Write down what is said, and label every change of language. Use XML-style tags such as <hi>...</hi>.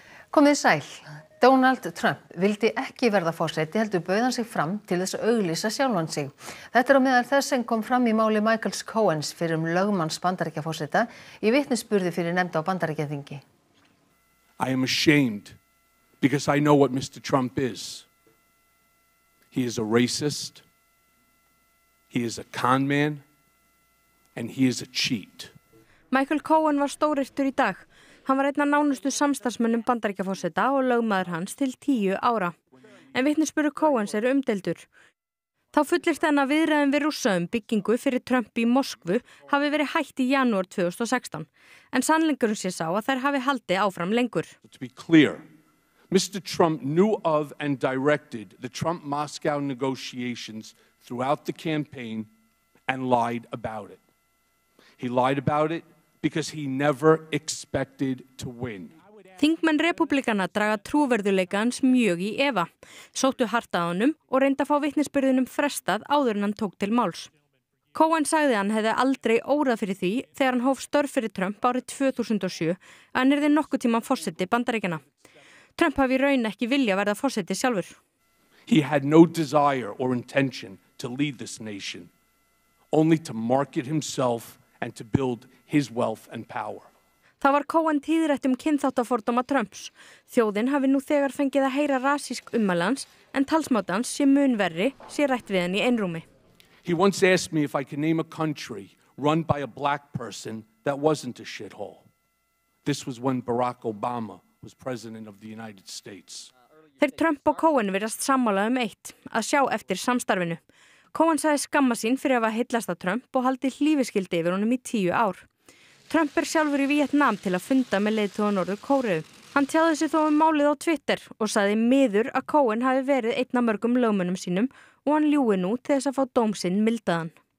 <is>Komið sæl. Donald Trump vildi ekki verða forseti heldur bauð hann sig fram til þess að auglýsa sjálfan sig. Þetta á meðal þess sem kom fram í máli Michaels Cohens fyrir lögmanns Bandaríkjaforseta í vitnisburði fyrir nefnd á Bandaríkjaþingi.</is> <en>I am ashamed because I know what Mr. Trump is. He is a racist. He is a con man and he is a cheat.</en> <is>Michael Cohen var stórhertur í dag. Hann var einn af nánustu samstarfsmönnum Bandaríkjaforseta og lögmaður hans til 10 ára. En vitnisburður Cohens umdeildur. Þá fullyrti hann að viðræðum við Rússa byggingu fyrir Trump í Moskvu hafi verið hætt í janúar 2016. En sannleikurinn sé sá að þær hafi haldið áfram lengur.</is> <en>To be clear, Mr. Trump knew of and directed the Trump-Moscow negotiations throughout the campaign and lied about it. He lied about it. Because he never expected to win.</en> <is>Þingmenn repúblikana draga trúverðuleika hans mjög í efa, sóttu hart að honum og reyndi að fá vitnisburðinum frestað áður en hann tók til máls. Cohen sagði hann hefði aldrei órað fyrir því þegar hann hóf störf fyrir Trump árið 2007 að hann yrði nokkuð tíma forseti Bandaríkjanna. Trump hafi raun ekki vilja verða forseti sjálfur.</is> <en>He had no desire or intention to lead this nation, only to market himself and to build his wealth and power.</en> <is>Það var Cohen tíðrætt kynþáttafordóma Trumps. Þjóðin hafi nú þegar fengið að heyra rasísk ummæli hans, en talsmáti hans sé mun verri, sé rætt við hann í einrúmi.</is> <en>He once asked me if I could name a country run by a black person that wasn't a shithole. This was when Barack Obama was president of the United States.</en> <is>Þeir Trump og Cohen virðast sammála eitt, að sjá eftir samstarfinu. Cohen sagði skamma sín fyrir að hafa heillast að Trump og haldi hlífiskildi yfir honum í 10 ár. Trump sjálfur í Vietnam til að funda með leiðtoga Norður-Kóreu. Hann tjáði sig þó málið á Twitter og sagði miður að Cohen hafi verið einn af mörgum lögmönnum sínum og hann ljúi nú til þess að fá dóm sinn mildaðan.</is>